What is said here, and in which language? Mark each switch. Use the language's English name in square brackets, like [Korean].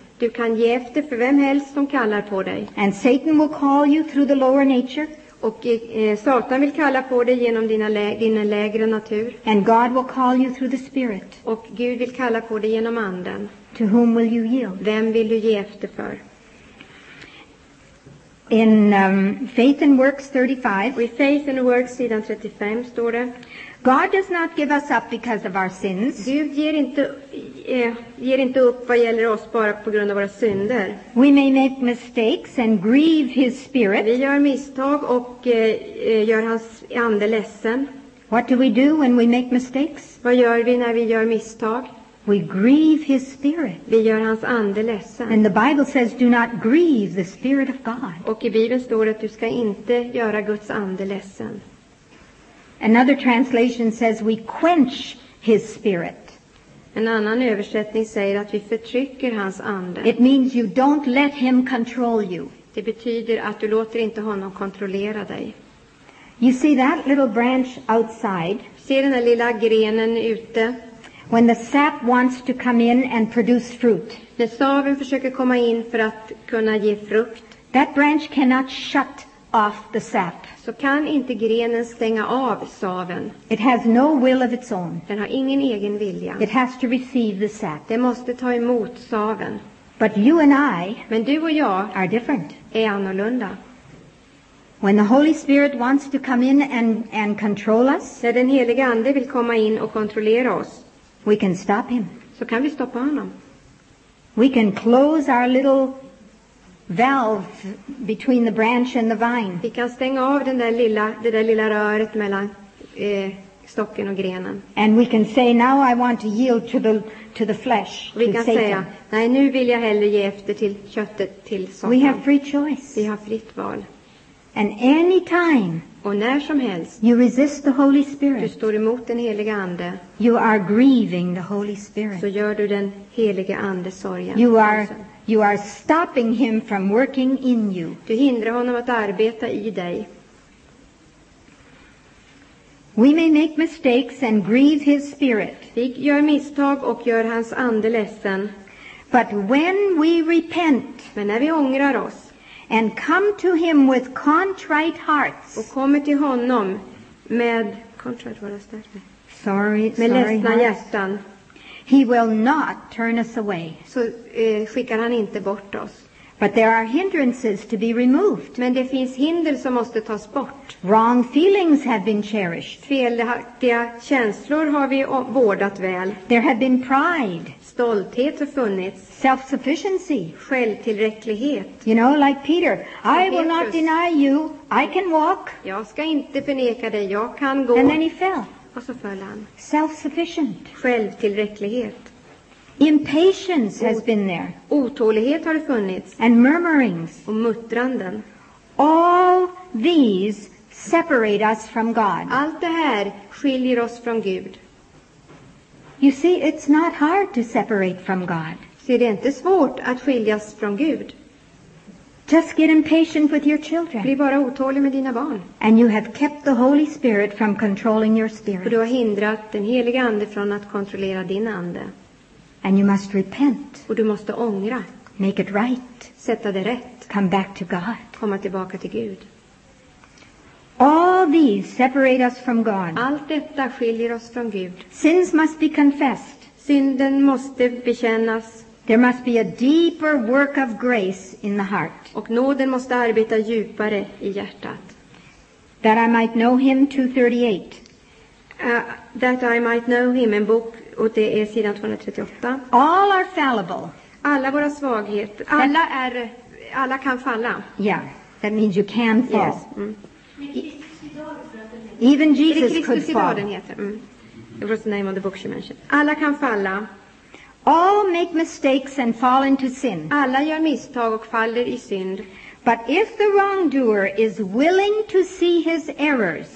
[Swedish] Du kan ge efter för vem helst som kallar på dig. [English] And Satan will call you through the lower nature. [Swedish] Och Satan vill kalla på dig genom din lägre natur. [English] And God will call you through the Spirit. [Swedish] Och Gud vill kalla på dig genom anden. [English] To whom will you yield? [Swedish] Vem vill du ge efter för? [English] In Faith and Works 35. [Swedish] With Faith and Works, sidan 35 står det. [English] God does not give us up because of our sins. [Swedish] Gud ger inte upp vad gäller oss bara på grund av våra synder. [English] We may make mistakes and grieve his spirit. [Swedish] Vi gör misstag och gör hans ande ledsen. [English] What do we do when we make mistakes? [Swedish] Vad gör vi när vi gör misstag? [English] We grieve his spirit. [Swedish] Vi gör hans ande ledsen. [English] And the Bible says do not grieve the spirit of God. [Swedish] Och i Bibeln står det att du ska inte göra Guds ande ledsen. [English] Another translation says we quench his spirit. [Swedish] En annan översättning säger att vi förtrycker hans ande. [English] It means you don't let him control you. [Swedish] Det betyder att du låter inte honom kontrollera dig. [English] You see that little branch outside? [Swedish] Ser den där lilla grenen ute? [English] When the sap wants to come in and produce fruit. [Swedish] När saven försöker komma in för att kunna ge frukt. [English] That branch cannot shut off the sap. [Swedish] Så kan inte grenen stänga av saven. [English] It has no will of its own. [Swedish] Den har ingen egen vilja. [English] It has to receive the sap. [Swedish] Den måste ta emot saven. [English] But you and I, [Swedish] men du och jag, [English] are different. [Swedish] Är annorlunda. [English] When the Holy Spirit wants to come in and control us, [Swedish] när den heliga ande vill komma in och kontrollera oss, [English] we can stop him. [Swedish] Så kan vi stoppa honom. [English] We can close our little valve between the branch and the vine. [Swedish] Vi kan stänga av det där lilla röret mellan stocken och grenen. [English] And we can say now I want to yield to the flesh. [Swedish] Vi kan säga nej, nu vill jag hellre ge efter till köttet, till Satan. [English] We have free choice. [Swedish] Vi har fritt val. [English] And any time, [Swedish] och när som helst, [English] you resist the Holy Spirit, [Swedish] du står emot den heliga ande, [English] you are grieving the Holy Spirit. [Swedish] Så gör du den heliga ande sorgen. [English] You are stopping him from working in you. [Swedish] Du hindrar honom att arbeta i dig. [English] We may make mistakes and grieve his spirit. [Swedish] Vi gör misstag och gör hans ande ledsen. [English] But when we repent, [Swedish] men när vi ångrar oss, [English] and come to him with contrite hearts, [Swedish] och kommer till honom med [English] contrite hearts, sorry, [Swedish] med ledsna hjärtan, [English] he will not turn us away. [Swedish] Så skickar han inte bort oss. [English] But there are hindrances to be removed. [Swedish] Men det finns hinder som måste tas bort. [English] Wrong feelings have been cherished. [Swedish] Felaktiga känslor har vi vårdat väl. [English] There have been pride. [Swedish] Stolthet har funnits. [English] Self-sufficiency. [Swedish] Självtillräcklighet. [English] You know, like Peter. I will not deny you. I can walk. [Swedish] Jag ska inte förneka dig. Jag kan gå. [English] And then he fell. [Swedish] Och så föll han. [English] Self-sufficient. [Swedish] Självtillräcklighet. [English] Impatience has been there. [Swedish] Otålighet har funnits. [English] And murmurings. [Swedish] Och muttranden. [English] All these separate us from God. [Swedish] Allt det här skiljer oss från Gud. [English] You see, it's not hard to separate from God. [Swedish] Så det är inte svårt att skiljas från Gud. [English] Just get impatient with your children. [Swedish] Bli bara otålig med dina barn. [English] And you have kept the Holy Spirit from controlling your spirit. [Swedish] Och du har hindrat den heliga ande från att kontrollera din ande. [English] And you must repent. [Swedish] Och du måste ångra. [English] Make it right. [Swedish] Sätta det rätt. [English] Come back to God. [Swedish] Komma tillbaka till Gud. [English] All these separate us from God. [Swedish] Allt detta skiljer oss från Gud. [English] Sins must be confessed. [Swedish] Synden måste bekännas. [English] There must be a deeper work of grace in the heart. [Swedish] Och nåden måste arbeta djupare i hjärtat. [English] That I might know him, 238. [Swedish] That I might know him, en bok, och det är sidan 238. [English] All are fallible. [Swedish] Alla våra svagheter. Alla kan falla. [English] Yeah, that means you can fall. Yes. Mm. Even Jesus could fall. [Swedish] Kristus i dagen heter. Mm. [English] It was the name of the book she mentioned. [Swedish] Alla kan falla. [English] All make mistakes and fall into sin. [Swedish] Alla gör misstag och faller i synd. [English] But if the wrongdoer is willing to see his errors,